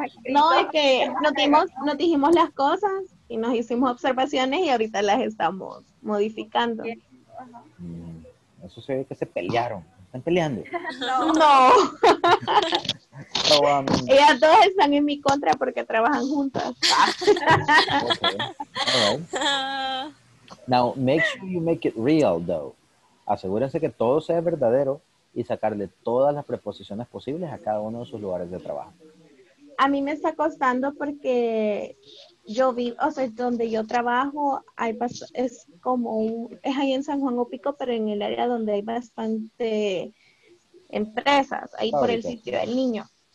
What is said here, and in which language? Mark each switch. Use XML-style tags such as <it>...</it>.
<es>No, es que nos dijimos las cosas y nos hicimos observaciones y ahorita las estamos modificando. Eso se ve que se pelearon. ¿Están peleando? No. No. Ellas dos están en mi contra porque trabajan juntas.</es> <en>Okay. All right. Now, make sure you make it real, though.</en> <es>Asegúrense que todo sea verdadero y sacarle todas las preposiciones posibles a cada uno de sus lugares de trabajo. A mí me está costando porque yo vivo, o sea, donde yo trabajo, hay es como, es ahí en San Juan Opico, pero en el área donde hay bastante empresas, ahí por el sitio del niño.</es>